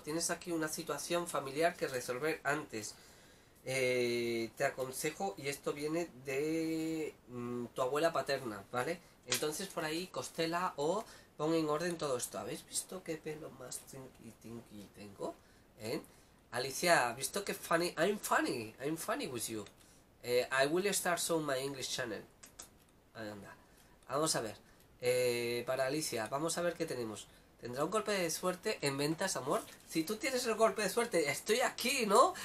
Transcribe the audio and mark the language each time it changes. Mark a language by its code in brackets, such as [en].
[es] Tienes aquí una situación familiar que resolver antes. Te aconsejo, y esto viene de tu abuela paterna, ¿vale? Entonces por ahí costela o pon en orden todo esto. ¿Habéis visto qué pelo más tinky tinky tengo? ¿Eh? Alicia, ¿has visto qué funny? [en] I'm funny. I'm funny with you. I will start soon my English channel. [es] Anda. Vamos a ver. Para Alicia, vamos a ver qué tenemos. ¿Tendrá un golpe de suerte en ventas, amor? Si tú tienes el golpe de suerte, estoy aquí, ¿no?